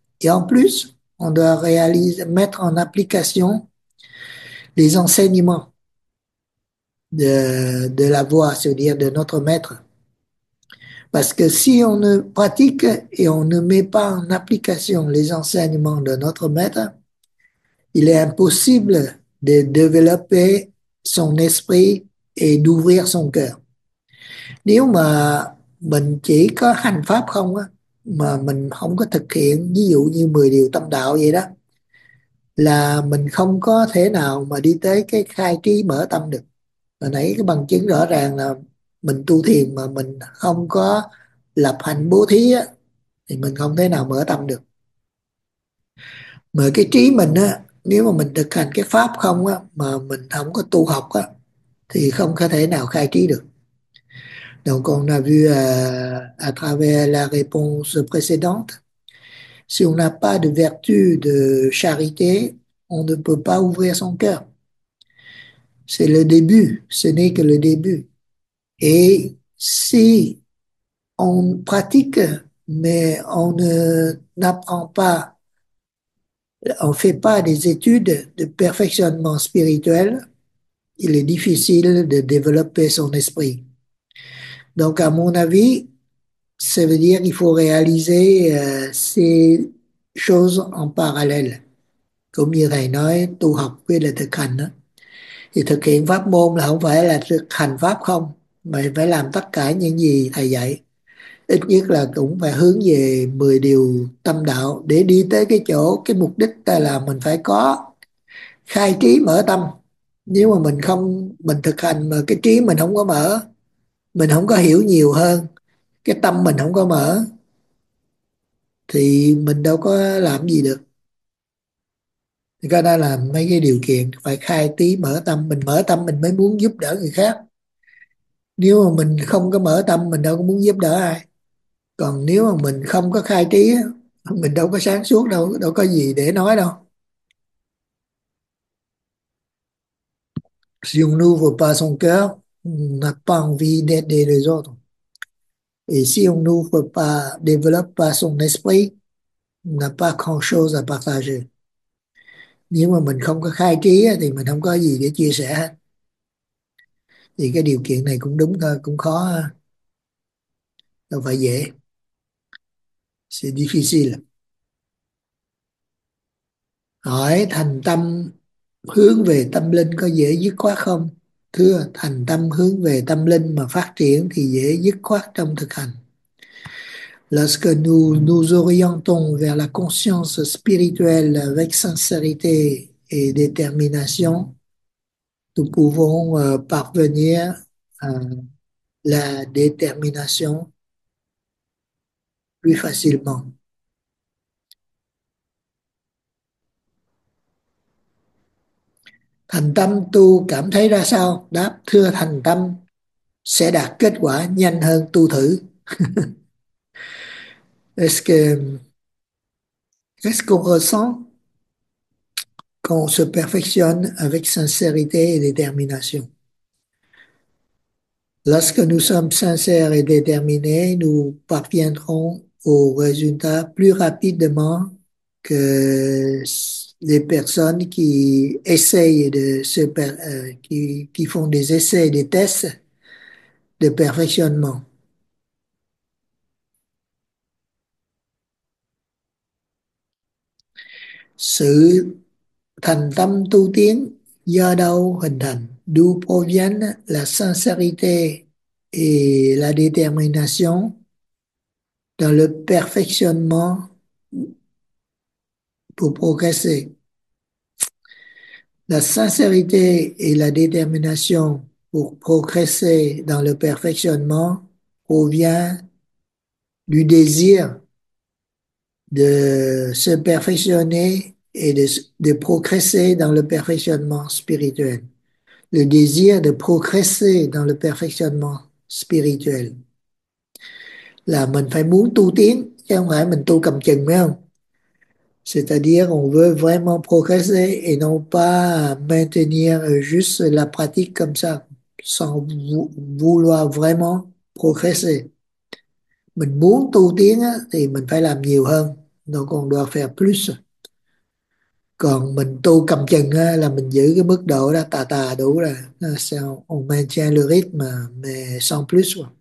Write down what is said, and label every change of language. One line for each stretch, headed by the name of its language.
French: Et en plus, on doit réaliser, mettre en application les enseignements de la voie, c'est-à-dire de notre maître. Parce que si on ne pratique et on ne met pas en application les enseignements de notre maître, il est impossible de développer son esprit et d'ouvrir son cœur.
Vietnamese: Nếu mà mình chỉ có hành pháp không á, mà mình không có thực hiện ví dụ như 10 điều tâm đạo vậy đó, là mình không có thể nào mà đi tới cái khai trí mở tâm được. Hồi nãy cái bằng chứng rõ ràng là mình tu thiền mà mình không có lập hành bố thí á, thì mình không thể nào mở tâm được. Mà cái trí mình á, nếu mà mình thực hành cái pháp không á, mà mình không có tu học á, thì không có thể nào khai trí được.
French: Donc on a vu à travers la réponse précédente, si on n'a pas de vertu de charité, on ne peut pas ouvrir son cœur. C'est le début, ce n'est que le début. Et si on pratique, mais on ne n'apprend pas, on fait pas des études de perfectionnement spirituel, il est difficile de développer son esprit. Donc, à mon avis, ça veut dire qu'il faut réaliser ces choses en parallèle. Comme
Vietnamese: như thầy nói, tu học với là thực hành đó. Thì thực hiện pháp môn là không phải là thực hành pháp không, mà phải làm tất cả những gì thầy dạy. ít nhất là cũng phải hướng về 10 điều tâm đạo để đi tới cái chỗ, cái mục đích ta làm mình phải có khai trí mở tâm. Nếu mà mình không, mình thực hành mà cái trí mình không có mở, mình không có hiểu nhiều hơn, cái tâm mình không có mở thì mình đâu có làm gì được. Thì cái đó là mấy cái điều kiện phải khai trí mở tâm, mình mở tâm mình mới muốn giúp đỡ người khác. Nếu mà mình không có mở tâm mình đâu có muốn giúp đỡ ai. Còn nếu mà mình không có khai trí mình đâu có sáng suốt đâu, đâu có gì để nói đâu.
French: Si on n'ouvre pas son cœur, on n'a pas envie d'aider les autres. Et si on n'ouvre pas, développe pas son esprit, on n'a pas grand-chose à partager.
Vietnamese: Nếu mà mình không có khai trí thì mình không có gì để chia sẻ. Thì cái điều kiện này cũng đúng thôi, cũng khó, đâu phải dễ.
French: C'est difficile.
Vietnamese: Hỏi thành tâm hướng về tâm linh có dễ dứt khoát không? Thưa, thành tâm hướng về tâm linh mà phát triển thì dễ dứt khoát trong thực hành.
French: Lorsque nous orientons vers la conscience spirituelle avec sincérité et détermination, nous pouvons parvenir à la détermination plus facilement.
Vietnamese: Thành tâm tu cảm thấy ra sao? Đáp, thưa thành tâm sẽ đạt kết quả nhanh hơn tu thử.
French: Est-ce qu'on ressent qu'on se perfectionne avec sincérité et détermination? Lorsque nous sommes sincères et déterminés, nous parviendrons au résultat plus rapidement que les personnes qui essayent de se qui font des essais, des tests de perfectionnement.
Vietnamese: Sự thành tâm tu tiến do đâu hình thành?
French: D'où proviennent la sincérité et la détermination dans le perfectionnement progresser? La sincérité et la détermination pour progresser dans le perfectionnement provient du désir de se perfectionner et de progresser dans le perfectionnement spirituel. Le désir de progresser dans le perfectionnement spirituel.
Vietnamese: Là mình phải muốn tu tiến, chứ không phải mình tu cầm chừng, phải không?
French: C'est-à-dire, on veut vraiment progresser et non pas maintenir juste la pratique comme ça, sans vouloir vraiment progresser.
Vietnamese: Mình muốn tu tiến á, thì mình phải làm nhiều hơn,
French: donc on doit faire plus.
Vietnamese: Còn mình tu cầm chừng á, là mình giữ cái mức độ đó tà tà đủ rồi.
French: Sao on maintient le rythme mais sans plus.